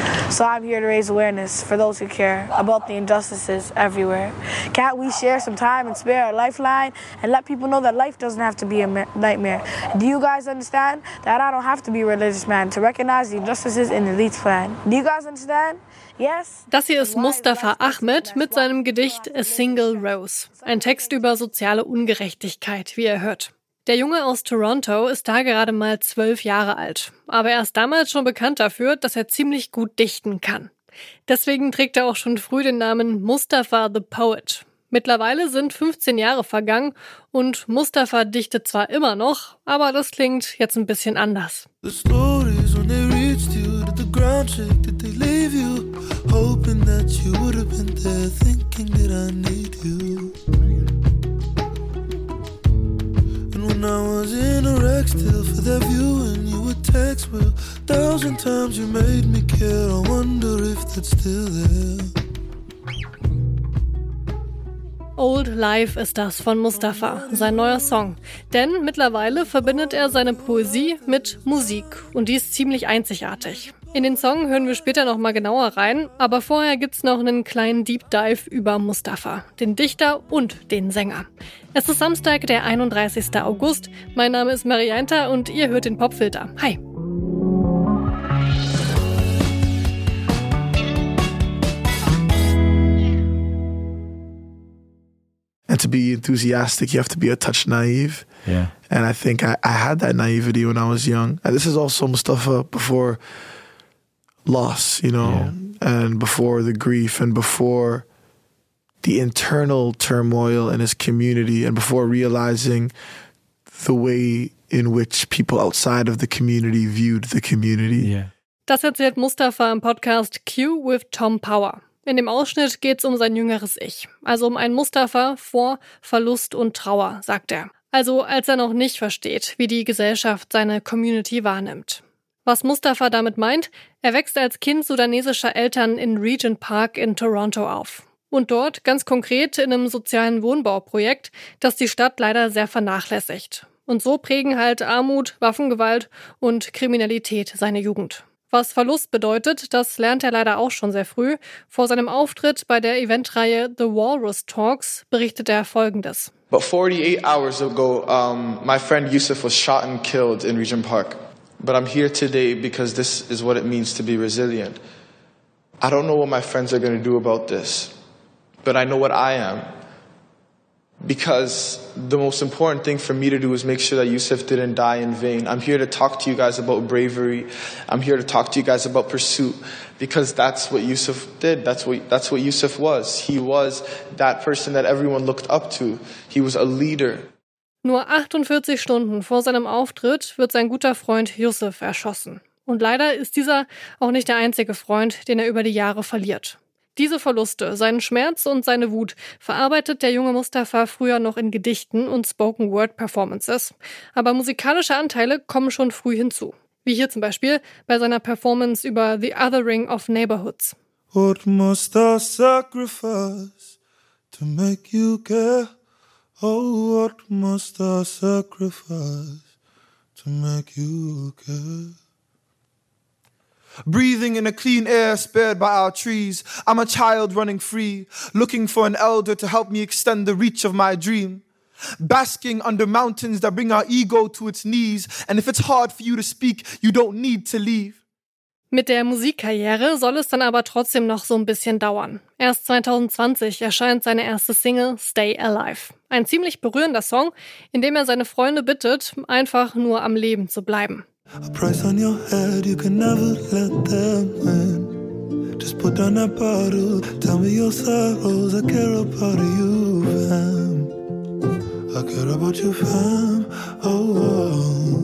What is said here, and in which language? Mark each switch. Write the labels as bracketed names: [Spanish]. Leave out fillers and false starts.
[English] So I'm here to raise awareness for those who care about the injustices everywhere. Can't we share some time and spare our lifeline and let people know that life doesn't have to be a nightmare? Do you guys understand that I don't have to be a religious man to recognize the injustices in the elite plan? Do you guys understand? Yes? [German] Das hier ist Mustafa Ahmed mit seinem Gedicht A Single Rose. Ein Text über soziale Ungerechtigkeit, wie ihr hört. Der Junge aus Toronto ist da gerade mal 12 Jahre alt, aber er ist damals schon bekannt dafür, dass er ziemlich gut dichten kann. Deswegen trägt er auch schon früh den Namen Mustafa the Poet. Mittlerweile sind 15 Jahre vergangen und Mustafa dichtet zwar immer noch, aber das klingt jetzt ein bisschen anders. [English] The stories when they reached you, did the ground shake, did they leave you, hoping that you would have been there, thinking that I need you. When I was in a wreck still for that view and you would text, well, a thousand times you made me care, I wonder if that's still there. [German] Old Life ist das von Mustafa, sein neuer Song. Denn mittlerweile verbindet er seine Poesie mit Musik und die ist ziemlich einzigartig. In den Song hören wir später nochmal genauer rein, aber vorher gibt's noch einen kleinen Deep Dive über Mustafa, den Dichter und den Sänger. Es ist Samstag, der 31. August. Mein Name ist Marianta und ihr hört den Popfilter. [English] Hi! And to be enthusiastic, you have to be a touch naive. Yeah. And I think I had that naivety when I was young. And this is also Mustafa before loss, you know, yeah. And before the grief and before the internal turmoil in his community and before realizing the way in which people outside of the community viewed the community. Yeah. [German] Das erzählt Mustafa im Podcast Q with Tom Power. In dem Ausschnitt geht es um sein jüngeres Ich, also um einen Mustafa vor Verlust und Trauer, sagt er. Also als er noch nicht versteht, wie die Gesellschaft seine Community wahrnimmt. Was Mustafa damit meint, er wächst als Kind sudanesischer Eltern in Regent Park in Toronto auf. Und dort ganz konkret in einem sozialen Wohnbauprojekt, das die Stadt leider sehr vernachlässigt. Und so prägen halt Armut, Waffengewalt und Kriminalität seine Jugend. Was Verlust bedeutet, das lernt er leider auch schon sehr früh. Vor seinem Auftritt bei der Eventreihe The Walrus Talks berichtet er Folgendes. [English] But 48 hours ago, my friend Yusuf was shot and killed in Regent Park. But I'm here today because this is what it means to be resilient. I don't know what my friends are going to do about this, but I know what I am. Because the most important thing for me to do is make sure that Yusuf didn't die in vain. I'm here to talk to you guys about bravery. I'm here to talk to you guys about pursuit. Because that's what Yusuf did. That's what Yusuf was. He was that person that everyone looked up to. He was a leader. [German] Nur 48 Stunden vor seinem Auftritt wird sein guter Freund Yusuf erschossen. Und leider ist dieser auch nicht der einzige Freund, den er über die Jahre verliert. Diese Verluste, seinen Schmerz und seine Wut verarbeitet der junge Mustafa früher noch in Gedichten und Spoken-Word-Performances. Aber musikalische Anteile kommen schon früh hinzu. Wie hier zum Beispiel bei seiner Performance über The Othering of Neighborhoods. [English] What must I sacrifice to make you care? Oh, what must I sacrifice to make you care? Breathing in a clean air spared by our trees. I'm a child running free, looking for an elder to help me extend the reach of my dream. Basking under mountains that bring our ego to its knees. And if it's hard for you to speak, you don't need to leave. [German] Mit der Musikkarriere soll es dann aber trotzdem noch so ein bisschen dauern. Erst 2020 erscheint seine erste Single Stay Alive. Ein ziemlich berührender Song, in dem er seine Freunde bittet, einfach nur am Leben zu bleiben. [English] A price on your head, you can never let them win. Just put down that bottle, tell me your sorrows. I care about you, fam. I care about you, fam. Oh, oh.